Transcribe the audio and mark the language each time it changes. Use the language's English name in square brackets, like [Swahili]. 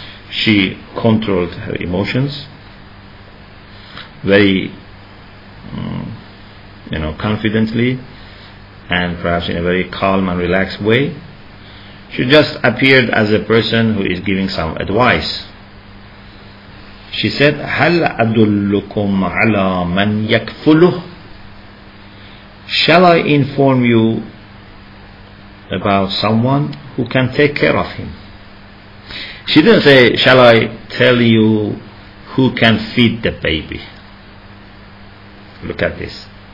[English] She controlled her emotions very, you know, confidently, and perhaps in a very calm and relaxed way. She just appeared as a person who is giving some advice. She said, [Arabic] هَلْ أَدُلُّكُمْ عَلَى مَنْ يَكْفُلُهُ. [English] Shall I inform you about someone who can take care of him? She didn't say, shall I tell you who can feed the baby? Look at this.